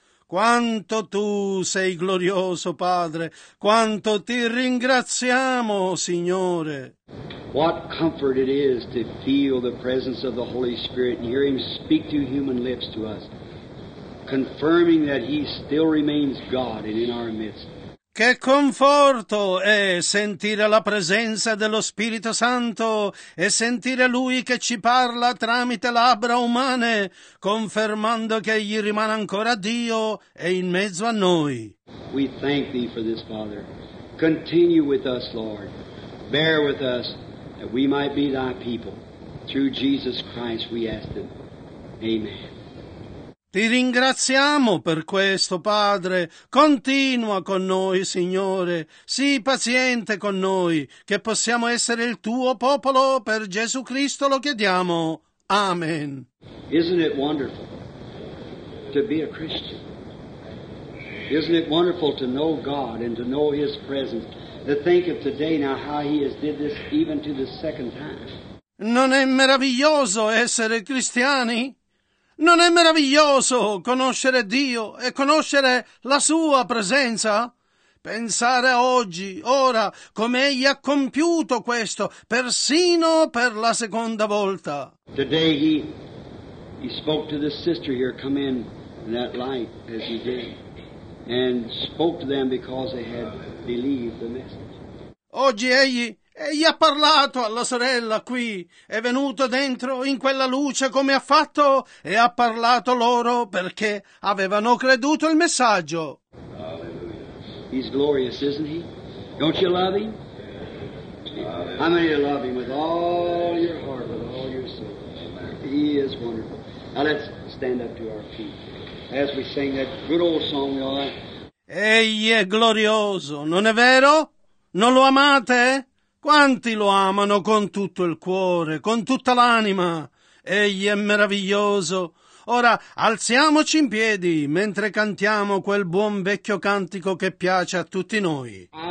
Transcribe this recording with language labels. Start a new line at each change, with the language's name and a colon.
Italian: Quanto tu sei glorioso, Padre. Quanto ti ringraziamo, Signore.
English: What comfort it is to feel the presence of the Holy Spirit and hear Him speak through human lips to us, confirming that He still remains God and in our midst.
Italian: Che conforto è sentire la presenza dello Spirito Santo e sentire Lui che ci parla tramite labbra umane, confermando che Egli rimane ancora Dio e in mezzo a noi.
English: We thank Thee for this, Father. Continue with us, Lord. Bear with us, that we might be Thy people. Through Jesus Christ we ask it. Amen.
Italian: Ti ringraziamo per questo, Padre. Continua con noi, Signore. Sii paziente con noi, che possiamo essere il Tuo popolo. Per Gesù Cristo lo chiediamo. Amen.
English: Isn't it wonderful to be a Christian? Isn't it wonderful to know God and to know His presence? To think of today now how He has did this even to the second time.
Italian: Non è meraviglioso essere cristiani? Non è meraviglioso conoscere Dio e conoscere la Sua presenza? Pensare oggi, ora, come Egli ha compiuto questo, persino per la seconda volta.
English: Today he spoke to this sister here, come in that light as he did, and spoke to them because they had believed the message.
Italian: Oggi Egli ha parlato alla sorella qui, è venuto dentro in quella luce come ha fatto e ha parlato loro perché avevano creduto il messaggio.
English: Hallelujah. He's glorious, isn't he? Don't you love him? Hallelujah. How many love him with all your heart, with all your soul? He is wonderful. Now let's stand up to our feet as we sing that good old song.
Italian: Egli è glorioso, non è vero? Non lo amate? Quanti lo amano con tutto il cuore, con tutta l'anima? Egli è meraviglioso. Ora, alziamoci in piedi mentre cantiamo quel buon vecchio cantico che piace a tutti noi.